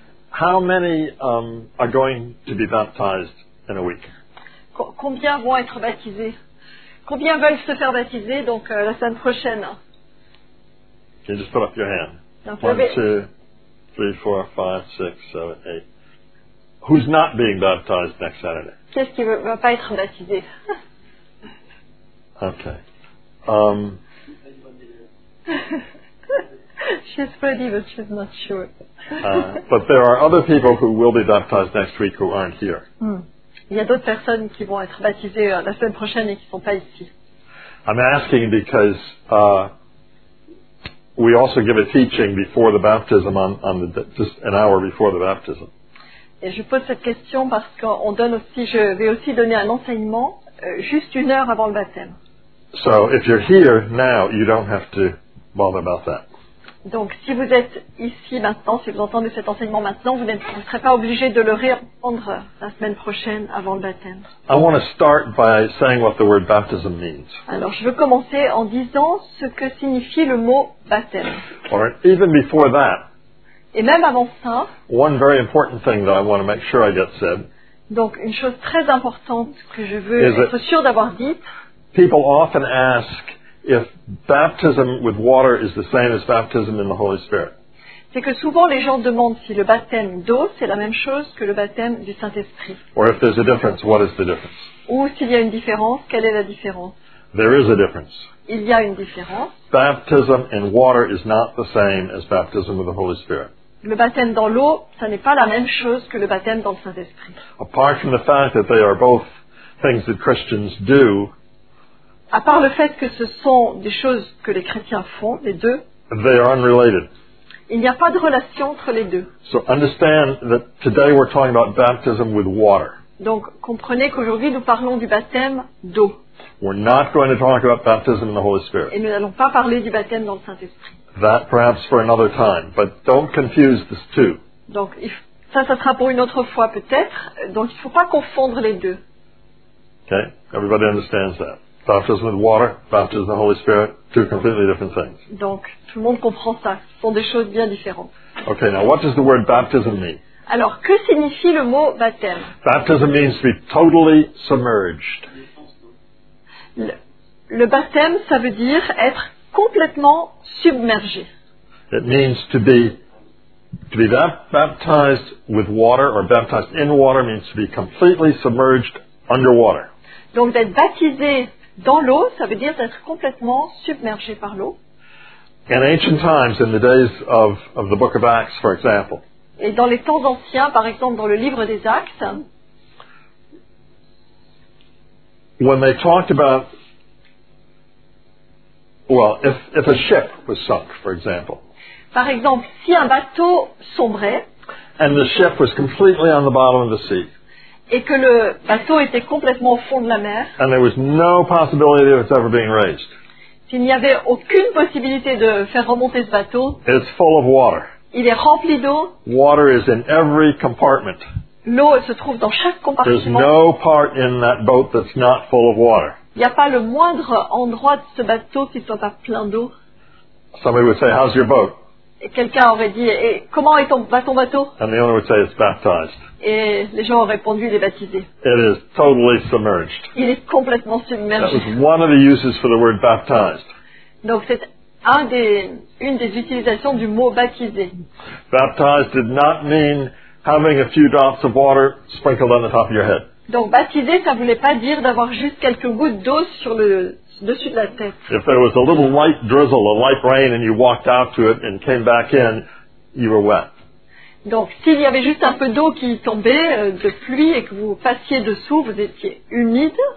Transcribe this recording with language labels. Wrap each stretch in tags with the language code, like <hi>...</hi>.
<en>How many are going to be baptized in a week?</en> <fr>Combien vont être baptisés? Combien veulent se faire baptiser donc la semaine prochaine?</fr> <en>Can you just put up your hand? 1, 2, 3, 4, 5, 6, 7, 8. Who's not being baptized next Saturday?</en> <fr>Qu'est-ce qui va pas être baptisé?</fr> <en>Okay. She's ready, but she's not sure. But there are other people who will be baptized next week who aren't here.</en> <fr>Il y a d'autres personnes qui vont être baptisées la semaine prochaine et qui ne sont pas ici.</fr> <en>I'm asking because we also give a teaching before the baptism on the, just an hour before the baptism.</en> <fr>Et je pose cette question parce qu'on donne aussi, je vais aussi donner un enseignement juste une heure avant le baptême.</fr> <en>So if you're here now, you don't have to bother about that.</en> <fr>Donc, si vous êtes ici maintenant, si vous entendez cet enseignement maintenant, vous ne serez pas obligé de le réentendre la semaine prochaine avant le baptême.</fr> <en>I want to start by saying what the word baptism means.</en> <fr>Alors, je veux commencer en disant ce que signifie le mot baptême.</fr> <en>Or, even before that,</en> <fr>et même avant ça,</fr> <en>one very important thing that I want to make sure I get said,</en> <fr>donc, une chose très importante que je veux être sûr d'avoir dite,</fr> <en>people often ask, if baptism with water is the same as baptism in the Holy Spirit.</en> <fr>C'est que souvent les gens demandent si le baptême d'eau c'est la même chose que le baptême du Saint-Esprit.</fr> <en>Or if there's a difference, what is the difference?</en> <fr>Ou s'il y a une différence, quelle est la différence?</fr> <en>There is a difference.</en> <fr>Il y a une différence.</fr> <en>Baptism in water is not the same as baptism with the Holy Spirit.</en> <fr>Le baptême dans l'eau, ça n'est pas la même chose que le baptême dans le Saint-Esprit.</fr> <en>Apart from the fact that they are both things that Christians do,</en> <fr>à part le fait que ce sont des choses que les chrétiens font, les deux,</fr> <en>they are unrelated.</en> <fr>Il n'y a pas de relation entre les deux.</fr> <en>So understand that today we're talking about baptism with water.</en> <fr>Donc comprenez qu'aujourd'hui nous parlons du baptême d'eau.</fr> <en>We're not going to talk about baptism in the Holy Spirit.</en> <fr>Et nous n'allons pas parler du baptême dans le Saint-Esprit.</fr> <en>That perhaps for another time, but don't confuse these two.</en> <fr>Donc ça sera pour une autre fois peut-être, donc il ne faut pas confondre les deux.</fr> <en>Okay, everybody understands that. Baptism with water, baptism with the Holy Spirit, two completely different things.</en> <fr>Donc, tout le monde comprend ça. Ce sont des choses bien différentes.</fr> <en>Okay, now what does the word baptism mean?</en> <fr>Alors, que signifie le mot baptême?</fr> <en>Baptism means to be totally submerged.</en> <fr>Le baptême, ça veut dire être complètement submergé.</fr> <en>It means to be baptized with water or baptized in water means to be completely submerged underwater.</en> <fr>Donc, d'être baptisé dans l'eau, ça veut dire d'être complètement submergé par l'eau.</fr> <en>In ancient times, in the days of the book of Acts, for example.</en> <fr>Et dans les temps anciens, par exemple, dans le livre des Actes.</fr> <en>When they talked about, well, if a ship was sunk, for example.</en> <fr>Par exemple, si un bateau sombrait.</fr> <en>And the ship was completely on the bottom of the sea.</en> <fr>Et que le bateau était complètement au fond de la mer.</fr> <en>And there was no possibility of it ever being raised.</en> <fr>S'il n'y avait aucune possibilité de faire remonter ce bateau.</fr> <en>It's full of water.</en> <fr>Il est rempli d'eau.</fr> <en>Water is in every compartment.</en> <fr>L'eau se trouve dans chaque compartiment.</fr> <en>There's no part in that boat that's not full of water.</en> <fr>Il n'y a pas le moindre endroit de ce bateau qui ne soit pas plein d'eau.</fr> <en>Somebody would say, "How's your boat?"</en> <fr>Et quelqu'un aurait dit, et comment va ton bateau?</fr> <en>And the owner would say, it's baptized.</en> <fr>Et les gens auraient répondu, il est baptisé.</fr> <en>It is totally submerged.</en> <fr>Il est complètement submergé.</fr> <en>That was one of the uses for the word baptized.</en> <fr>Donc c'est une des utilisations du mot baptisé.</fr> <en>Baptized did not mean having a few drops of water sprinkled on the top of your head.</en> <fr>Donc baptisé, ça ne voulait pas dire d'avoir juste quelques gouttes d'eau sur le dessus de la tête.</fr> <en>If there was a little light drizzle, a light rain, and you walked out to it and came back in, you were wet.</en> <fr>Donc, s'il y avait juste un peu d'eau qui tombait, de pluie, et que vous passiez dessous, vous étiez humide.</fr>